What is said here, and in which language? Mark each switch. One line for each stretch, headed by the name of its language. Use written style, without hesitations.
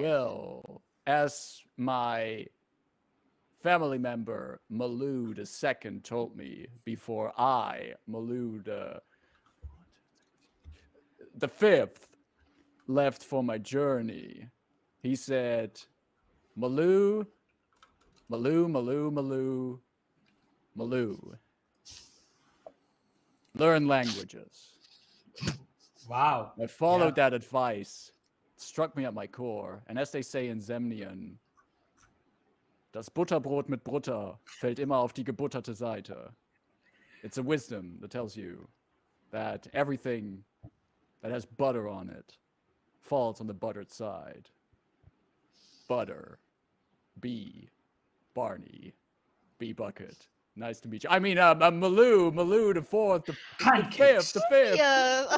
English: Well, as my family member Molou the II told me before I, Molou the V, left for my journey, he said, Molou, Molou, Molou, Molou, Molou, learn languages. Wow. I followed that advice. It struck me at my core. And as they say in Zemnian,
German: das Butterbrot mit Butter fällt immer auf die gebutterte Seite.
English: It's a wisdom that tells you that everything that has butter on it falls on the buttered side. Butter, B, Barney, B Bucket. Nice to meet you. I mean, Molou, IV, the 5th, the 5th.